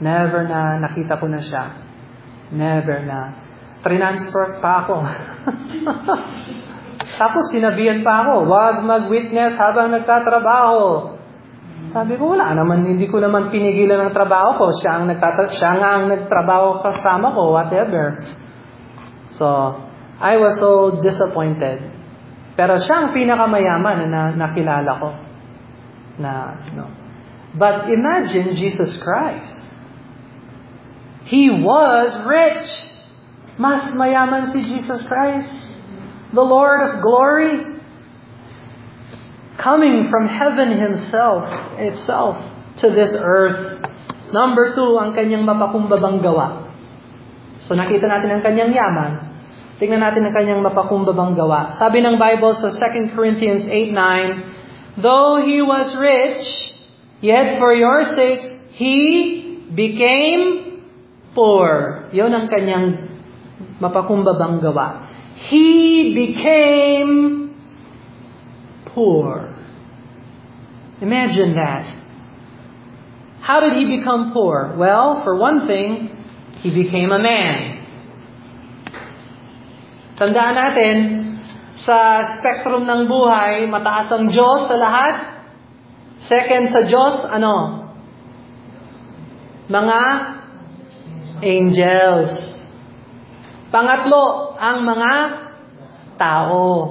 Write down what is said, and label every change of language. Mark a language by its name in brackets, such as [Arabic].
[Filipino] Never na nakita ko na siya. Never na. Transfer pa ako. Tapos sinabihan pa ako, huwag mag-witness habang nagtatrabaho. Sabi ko, wala naman, hindi ko naman pinigilan ang trabaho ko. Siya nga ang nagtrabaho kasama ko, whatever. [English] So, I was so disappointed. [Filipino] Pero siya ang pinakamayaman na nakilala ko. [English] Na, no. But imagine Jesus Christ. He was rich. [Filipino] Mas mayaman si [English] Jesus Christ. The Lord of glory. Coming from heaven itself. to this earth. Number two, [Filipino] ang kanyang mapakumbabang gawa. So nakita natin ang kanyang yaman. Tingnan natin ang kanyang mapakumbabang gawa. Sabi ng Bible sa [English] 2 Corinthians 8:9, though he was rich, yet for your sakes, he became poor. [Filipino] Yun ang kanyang mapakumbabang gawa. [English] He became poor. Imagine that. How did he become poor? Well, for one thing, he became a man. [Filipino] Tandaan natin, sa spectrum ng buhay, mataas ang Diyos sa lahat. Second sa Diyos, ano? Mga angels. Pangatlo, ang mga tao.